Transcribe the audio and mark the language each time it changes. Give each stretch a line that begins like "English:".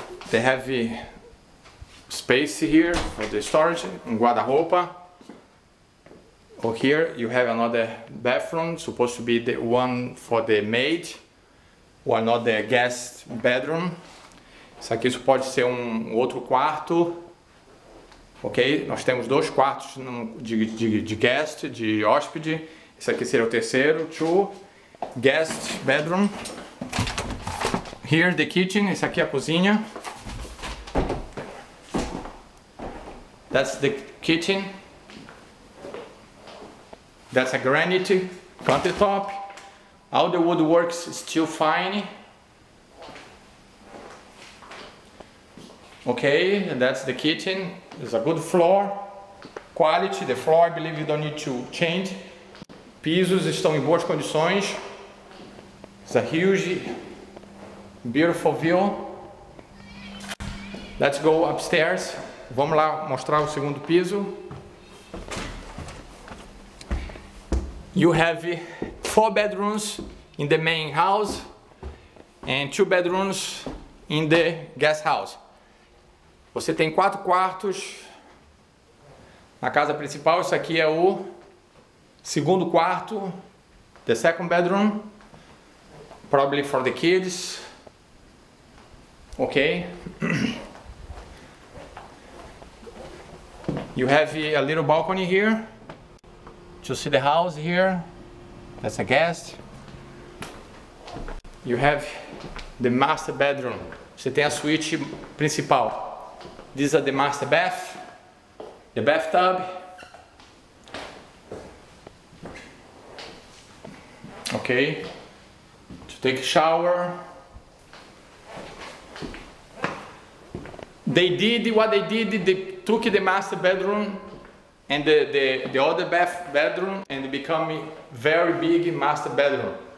English: They have space here for the storage and guarda-roupa. Oh, here you have another bathroom, supposed to be the one for the maid. Or not the guest bedroom.
Portuguese: Isso aqui pode ser um outro quarto. Ok? Nós temos dois quartos de guest, de hóspede. Esse aqui seria o terceiro.
English: Two guest bedroom. Here the kitchen.
Portuguese: Isso aqui é a cozinha.
English: That's the kitchen. That's a granite countertop. All the woodworks still fine. Okay, that's the kitchen. It's a good floor. Quality, the floor, I believe you don't need to change.
Portuguese: Pisos estão em boas condições.
English: It's a huge, beautiful view. Let's go upstairs.
Portuguese: Vamos lá mostrar o segundo piso.
English: You have four bedrooms in the main house and two bedrooms in the guest house.
Portuguese: Você tem quatro quartos na casa principal. Isso aqui é o segundo quarto,
English: the second bedroom, probably for the kids. Ok. You have a little balcony here to see the house here. That's a guest. You have the master bedroom.
Portuguese: Você tem a suíte principal.
English: This is the master bath, the bathtub. Okay, to take a shower. They did what they did, they took the master bedroom and the other bath bedroom and become a very big master bedroom.